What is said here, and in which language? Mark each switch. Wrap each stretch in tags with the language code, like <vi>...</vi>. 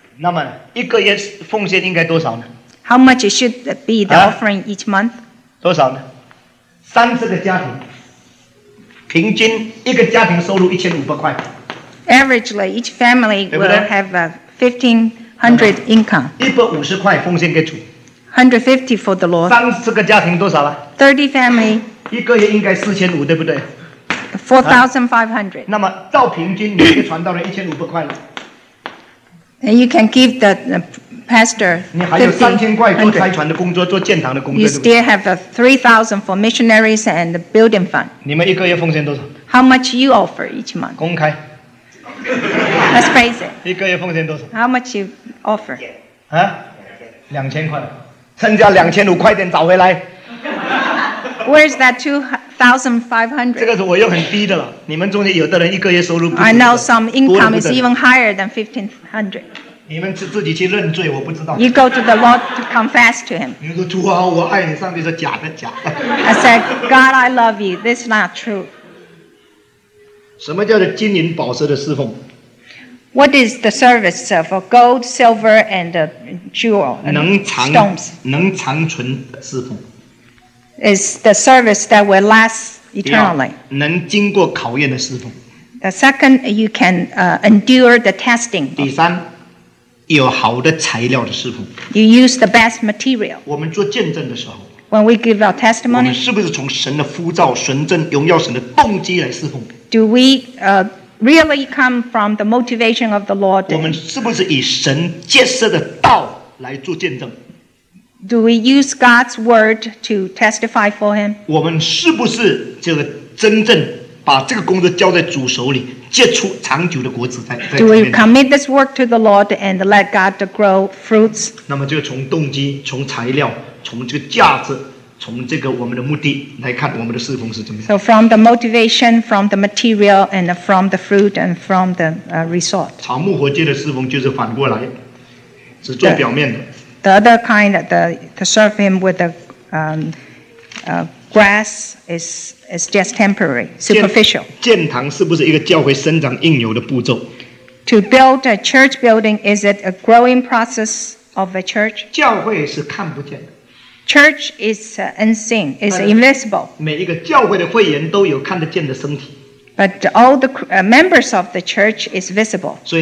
<zh>那么一个月奉献应该多少呢？</zh> <en>How much it should be the offering each month?</en> <zh>多少呢？30个家庭。平均一个家庭收入1500块。</zh> <en>Averagely, each family will have a 1500 income.</en> <zh>150块奉献给主。</zh> <en>150 for the Lord.</en> <zh>30个家庭多少了？</zh> <en>30 family.</en> <zh>一个月应该4500，对不对？</zh> <en>4500.</en> <zh>那么照平均，你一个传道人1500块了。</zh> <en>And you can give the pastor</en> <zh>你还有3000块做财团的工作，做建堂的工作。</zh> <en>You still have a 3000 for missionaries and the building fund.</en> <zh>你们一个月奉献多少？</zh> <en>How much you offer each month?</en> <zh>公开。</zh> <en>Let's face it.</en> <zh>一个月奉献多少？</zh> <en>How much you offer?</en> <zh>啊？2000块，剩下2500快点找回来。</zh> <en>Where's that 2500?</en> <zh>这个是我用很低的了，你们中间有的人一个月收入不低的。</zh> <en>I know some income is even higher than 1500.</en> <zh>你们自己去认罪，我不知道。</zh> <en>You go to the Lord to confess to him.</en> <zh>你说主啊，我爱你，上帝说假的。</zh> <en>I said, God, I love you. This is not true.</en> <zh>什么叫做金银宝石的侍奉？</zh> <en>What is the service for gold, silver, and jewel and stones?</en> <zh>能长存侍奉。</zh> <en>Is the service that will last eternally.</en> <zh>能经过考验的侍奉。</zh> <en>The second, you can endure the testing.</en> <zh>第三, 有好的材料的侍奉。</zh> <en>You use the best material.</en> <zh>我们做见证的时候,</zh> <en>when we give our testimony,</en> <zh>我们是不是从神的呼召, 神正, 荣耀神的动机来侍奉?</zh> <en>Do we really come from the motivation of the Lord?</en> <zh>我们是不是以神借赐的道来做见证?</zh> <en>Do we use God's word to testify for him?</en> <zh>我们是不是真正把这个工作交在主手里, 结出长久的果子, 在,</zh> <en>Do we commit this work to the Lord and let God grow fruits?</en> <zh>那么就从动机, 从材料, 从这个价值, 从这个我们的目的来看,</zh> <en>So from the motivation, from the material, and from the fruit, and from the resort.</en> <zh>草木活祭的侍奉就是反过来, 只做表面的。</zh> <en>The other kind, to serve him with the grass is just temporary, superficial.</en> <zh>建堂是不是一个教会生长应有的步骤?</zh> <en>To build a church building, is it a growing process of a church?</en> <zh>教会是看不见的。</zh> <en>Church is unseen, is invisible.</en> <zh>每一个教会的会员都有看得见的身体。</zh> <en>But all the members of the church is visible.</en>